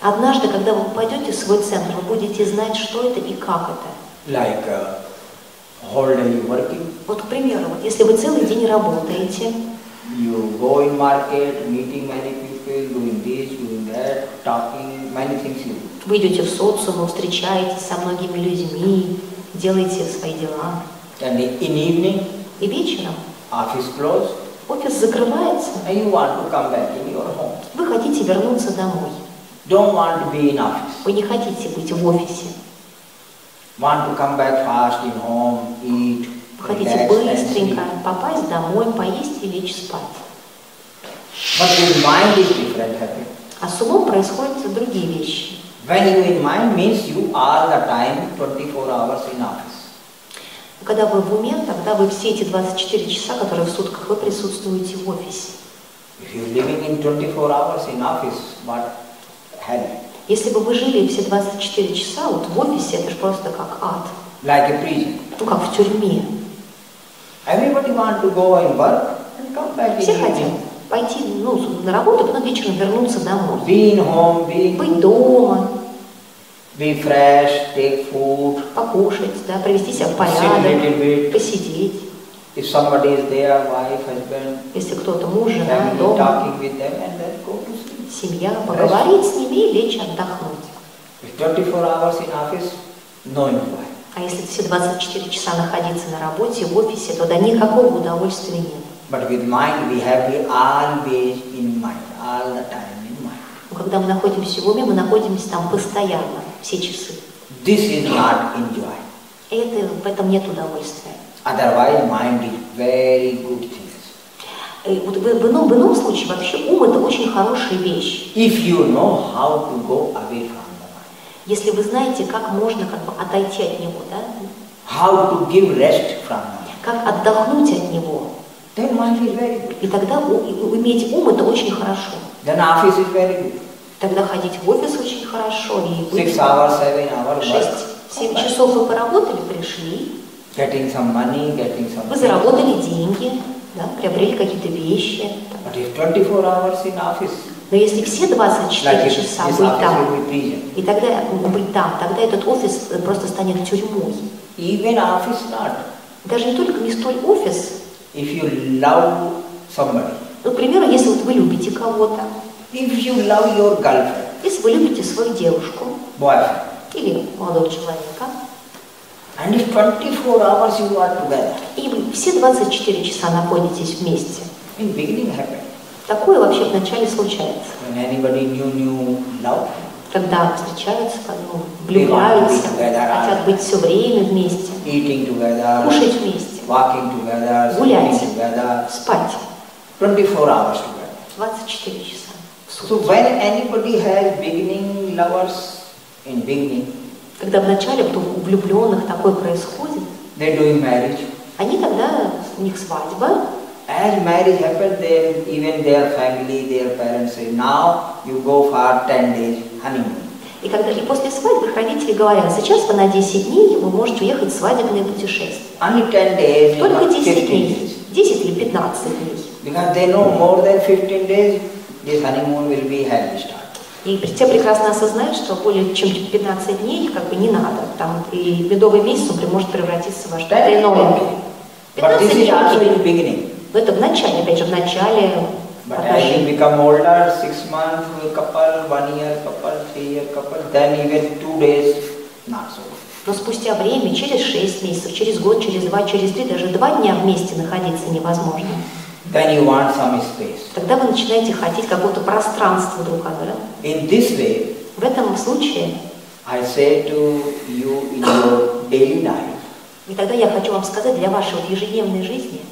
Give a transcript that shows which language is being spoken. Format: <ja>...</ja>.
<ru>Однажды, когда вы пойдете в свой центр, вы будете знать, что это и как это.</ru> <en>Like, whole day working.</en> <ru>Вот, к примеру, вот, если вы целый день работаете,</ru> <en>you go in market, meeting many people, doing this, doing that, talking, many things you do.</en> <ru>Вы идете в социум, встречаетесь со многими людьми, делаете свои дела.</ru> <en>And in evening,</en> <ru>и вечером,</ru> <en>office closed,</en> <ru>офис закрывается,</ru> <en>and you want to come back in your home.</en> <ru>Вы хотите вернуться домой.</ru> <en>Don't want to be in office.</en> <ru>Вы не хотите быть в офисе.</ru> <en>Want to come back fast in home, eat, relax,</en> <ru>вы хотите быстренько попасть домой, поесть и лечь спать.</ru> <en>But with mind is different, happy.</en> <ru>А с умом происходят другие вещи.</ru> <en>When you in mind means you are the time 24 hours in office.</en> <ru>Когда вы в уме, тогда вы все эти 24 часа, которые в сутках, вы присутствуете в офисе.</ru> <en>If you're living in 24 hours in office, what hell?</en> <ru>Если бы вы жили все 24 часа вот в офисе, это же просто как ад.</ru> <en>Like a prison.</en> <ru>Ну как в тюрьме.</ru> <en>Everybody want to go and work and come back.</en> <ru>Все хотят пойти, ну, на работу, потом вечером вернуться домой.</ru> <en>Be in home, be in</en> <ru>быть дома.</ru> <en>Be fresh, take food.</en> <ru>Покушать, да, привести себя в порядок.</ru> <en>Bit.</en> <ru>Посидеть.</ru> <en>If somebody is there, wife, husband.</en> <ru>Если кто-то муж, жена, дома.</ru> <en>Talking with them and then go to sleep.</en> <ru>Семья, поговорить с ними и лечь отдохнуть.</ru> <en>If 24 hours in office, no invite.</en> <ru>А если все 24 часа находиться на работе, в офисе, то да никакого удовольствия нет.</ru> <en>But with mind, we have it always in mind, all the time in mind.</en> <ru>Когда мы находимся в уме, мы находимся там постоянно, все часы.</ru> <en>This is not enjoy.</en> <ru>Это в этом нет удовольствия.</ru> <en>Otherwise, mind is very good things.</en> <ru>Вот в ином случае вообще ум это очень хорошая вещь.</ru> <en>If you know how to go away from the mind.</en> <ru>Если вы знаете, как можно как бы отойти от него, да?</ru> <en>How to give rest from mind.</en> <ru>Как отдохнуть от него?</ru> <en>Then mind is very good.</en> <ru>И тогда иметь ум это очень хорошо.</ru> <en>Then office is very good.</en> <ru>Тогда ходить в офис очень хорошо и быть.</ru> <en>6 hours, 7 hours.</en> <ru>6-7 часов вы поработали, пришли.</ru> <en>Getting some money, getting some.</en> <ru>Вы заработали деньги, да, приобрели какие-то вещи.</ru> <en>But if 24 hours in office.</en> <ru>Но если все 24 часа быть там, и тогда быть там, тогда этот офис просто станет тюрьмой.</ru> <en>Even office not.</en> <ru>Даже не только не столь офис.</ru> <en>If you love somebody.</en> <ru>Ну, к примеру, если вот вы любите кого-то.</ru> <en>If you love your girlfriend.</en> <ru>Если вы любите свою девушку.</ru> <en>Boyfriend.</en> <ru>Или молодого человека.</ru> <en>And if 24 hours you are together.</en> <ru>И вы все 24 часа находитесь вместе.</ru> <en>In beginning happen.</en> <ru>Такое вообще вначале случается.</ru> <en>When anybody new love.</en> <ru>Когда встречаются, когда влюбляются, хотят быть все время вместе.</ru> <en>Eating together.</en> <ru>Кушать вместе.</ru> <en>Walking together,</en> <ru>гулять,</ru> <en>sleeping together,</en> <ru>спать.</ru> <en>24 hours together.</en> <ru>24 часа.</ru> <en>So when anybody has beginning lovers in beginning.</en> <ru>Когда вначале у влюбленных такое происходит.</ru> <en>They doing marriage.</en> <ru>Они тогда у них свадьба.</ru> <en>As marriage happened, then even their family, their parents say, now you go for 10 days honeymoon.</en> <ru>И когда и после свадьбы родители говорят, сейчас вы на 10 дней вы можете уехать в свадебное путешествие. Только 10 дней. 10 или 15 дней.</ru> <en>Because they know more than 15 days, this honeymoon will be hell to start.</en> <ru>И те прекрасно осознают, что более чем 15 дней как бы не надо. Там и медовый месяц он может превратиться во что-то иное. 15 дней. Но это в начале, опять же, в начале.</ru> <en>But as you become older, 6 months couple, 1 year couple, 3 year couple, then even 2 days not so.</en> <ru>Но спустя время, через 6 месяцев, через год, через 2, через 3, даже 2 дня вместе находиться невозможно.</ru> <en>Then you want some space.</en> <ru>Тогда вы начинаете хотеть какого-то пространства друг от друга.</ru> <en>In this way.</en> <ru>В этом случае.</ru> <en>I say to you in your daily life.</en> <ru>И тогда я хочу вам сказать для вашей ежедневной жизни.</ru>